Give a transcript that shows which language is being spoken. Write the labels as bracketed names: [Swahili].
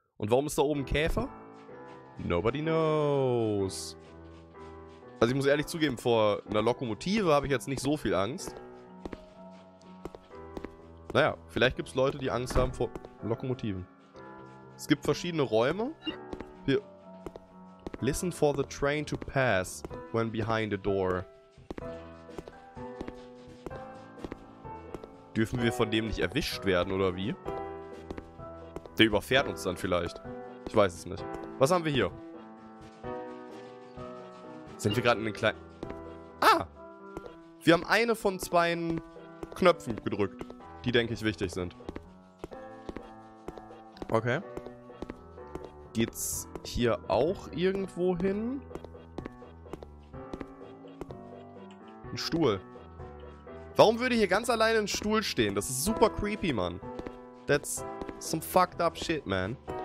[German] Und warum ist da oben Käfer? [English] Nobody knows. [German] Also ich muss ehrlich zugeben, vor einer Lokomotive habe ich jetzt nicht so viel Angst. Naja, vielleicht gibt es Leute, die Angst haben vor Lokomotiven. Es gibt verschiedene Räume. Hier. [English] Listen for the train to pass when behind a door. [German] Dürfen wir von dem nicht erwischt werden, oder wie? Der überfährt uns dann vielleicht. Ich weiß es nicht. Was haben wir hier? Sind wir gerade in den kleinen... Ah! Wir haben eine von zwei Knöpfen gedrückt, die, denke ich, wichtig sind. Okay. Geht's hier auch irgendwo hin? Ein Stuhl. Warum würde hier ganz alleine ein Stuhl stehen? Das ist super creepy, Mann. [English] That's some fucked up shit, man.